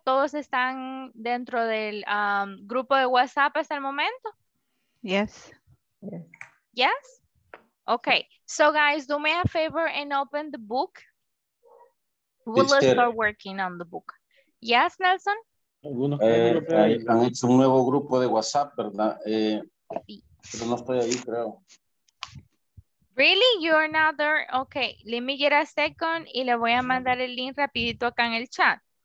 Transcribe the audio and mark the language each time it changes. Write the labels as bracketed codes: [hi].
[es] ¿Todos están dentro del grupo de WhatsApp hasta el momento? [en] Yes. Yes. Okay. So, guys, do me a favor and open the book. We'll start working on the book. Yes, Nelson? [es] Han hecho un nuevo grupo de WhatsApp, ¿verdad? Pero no estoy ahí, creo. [en] Really? You're not there? Okay, let me get a second [es] y le voy a mandar el link rapidito acá en el chat.